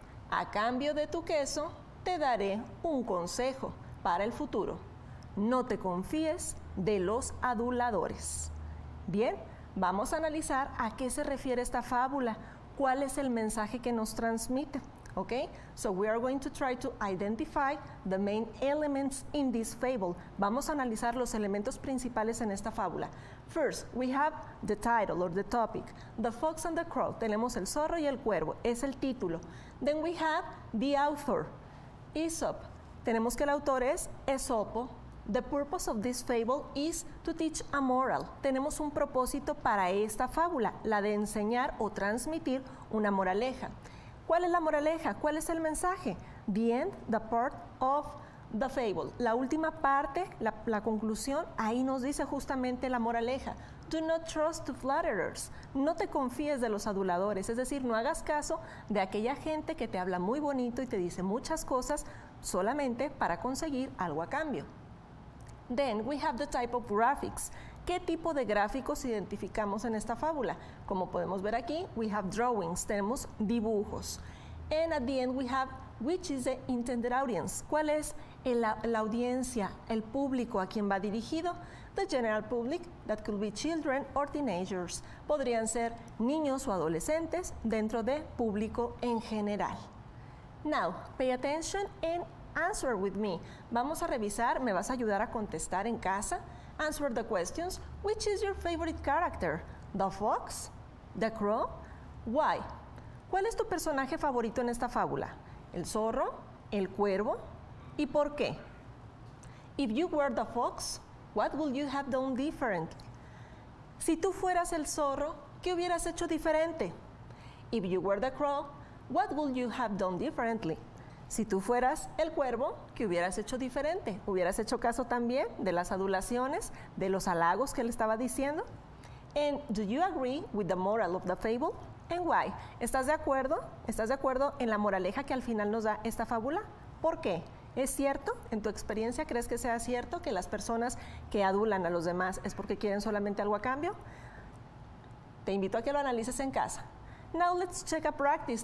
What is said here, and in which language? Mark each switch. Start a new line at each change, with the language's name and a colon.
Spanish: A cambio de tu queso, te daré un consejo para el futuro. No te confíes de los aduladores. Bien, vamos a analizar a qué se refiere esta fábula, cuál es el mensaje que nos transmite, ¿ok?
English: So we are going to try to identify the main elements in this fable.
Spanish: Vamos a analizar los elementos principales en esta fábula.
English: First, we have the title or the topic, The Fox and the Crow.
Spanish: Tenemos el zorro y el cuervo, es el título.
English: Then we have the author, Aesop.
Spanish: Tenemos que el autor es Esopo.
English: The purpose of this fable is to teach a moral.
Spanish: Tenemos un propósito para esta fábula, la de enseñar o transmitir una moraleja. ¿Cuál es la moraleja? ¿Cuál es el mensaje?
English: The end, the part of the fable.
Spanish: La última parte, la conclusión, ahí nos dice justamente la moraleja.
English: Do not trust the flatterers.
Spanish: No te confíes de los aduladores, es decir, no hagas caso de aquella gente que te habla muy bonito y te dice muchas cosas solamente para conseguir algo a cambio.
English: Then we have the type of graphics.
Spanish: ¿Qué tipo de gráficos identificamos en esta fábula? Como podemos ver aquí,
English: we have drawings,
Spanish: tenemos dibujos.
English: And at the end we have which is the intended audience.
Spanish: ¿Cuál es la audiencia, el público a quien va dirigido?
English: The general public, that could be children or teenagers.
Spanish: Podrían ser niños o adolescentes dentro de público en general.
English: Now, pay attention and answer with me.
Spanish: Vamos a revisar, me vas a ayudar a contestar en casa.
English: Answer the questions. Which is your favorite character? The fox? The crow? Why?
Spanish: ¿Cuál es tu personaje favorito en esta fábula? ¿El zorro? ¿El cuervo? ¿Y por qué?
English: If you were the fox, what would you have done differently?
Spanish: Si tú fueras el zorro, ¿qué hubieras hecho diferente?
English: If you were the crow, what would you have done differently?
Spanish: Si tú fueras el cuervo, ¿qué hubieras hecho diferente? ¿Hubieras hecho caso también de las adulaciones, de los halagos que le estaba diciendo?
English: And do you agree with the moral of the fable? And why?
Spanish: ¿Estás de acuerdo? ¿Estás de acuerdo en la moraleja que al final nos da esta fábula? ¿Por qué? ¿Es cierto? ¿En tu experiencia crees que sea cierto que las personas que adulan a los demás es porque quieren solamente algo a cambio? Te invito a que lo analices en casa.
English: Now let's check a practice.